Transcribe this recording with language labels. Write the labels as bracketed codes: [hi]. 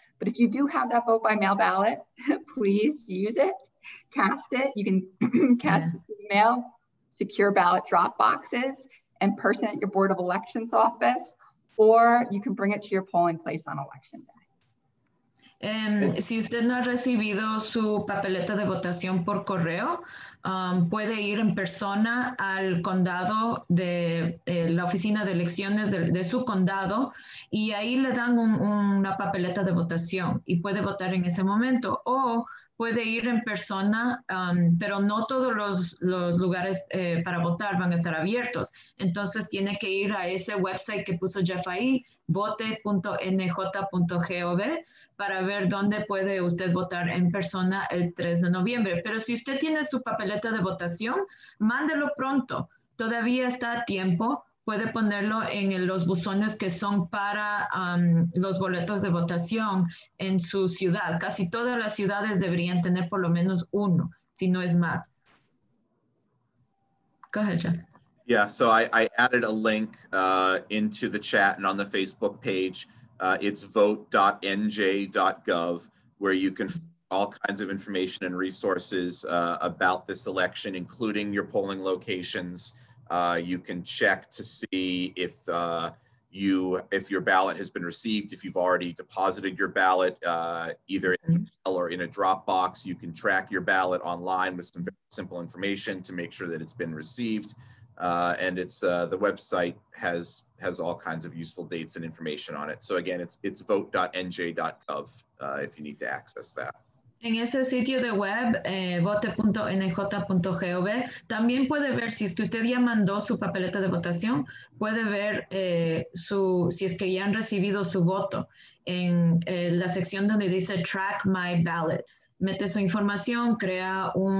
[en] But if you do have that vote by mail ballot, please use it, cast it. You can cast it through mail, secure ballot drop boxes, in person at your Board of Elections office, or you can bring it to your polling place on election day. [es] Si usted no ha recibido su papeleta de votación por correo, puede ir en persona al condado de la oficina de elecciones de su condado y ahí le dan una papeleta de votación y puede votar en ese momento o puede ir en persona, pero no todos los lugares para votar van a estar abiertos. Entonces tiene que ir a ese website que puso Jeff ahí, vote.nj.gov, para ver dónde puede usted votar en persona el 3 de noviembre. Pero si usted tiene su papeleta de votación, mándelo pronto. Todavía está a tiempo. Puede ponerlo en los buzones que son para los boletos de votación en su ciudad. Casi todas las ciudades deberían tener por lo menos uno, si no es más. [en] Go ahead, John. Yeah, so I added a link into the chat and on the Facebook page. It's vote.nj.gov, where you can find all kinds of information and resources about this election, including your polling locations. You can check to see if your ballot has been received, if you've already deposited your ballot, either in mail or in a drop box. You can track your ballot online with some very simple information to make sure that it's been received. And it's the website has all kinds of useful dates and information on it. So again, it's vote.nj.gov if you need to access that. [es] En ese sitio de web, vote.nj.gov, también puede ver si es que usted ya mandó su papeleta de votación, puede ver si es que ya han recibido su voto en la sección donde dice [en] Track My Ballot. [es] Mete su información, crea